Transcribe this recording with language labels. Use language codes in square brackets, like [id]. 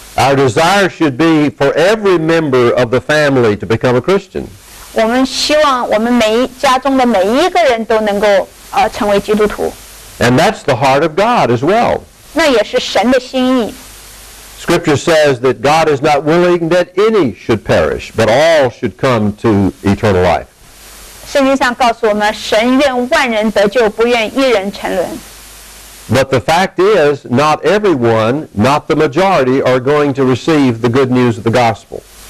[en] Our desire should be for every member of the family to become a Christian. [zh] 我们希望我们家中的每一个人都能够成为基督徒。 [en] And that's the heart of God as well. [zh] 那也是神的心意。 [en] Scripture says that God is not willing that any should perish, but all should come to eternal life. [zh] 圣经上告诉我们, 神愿万人得救，不愿一人沉沦。 [en] But the fact is, not everyone, not the majority, are going to receive the good news of the gospel.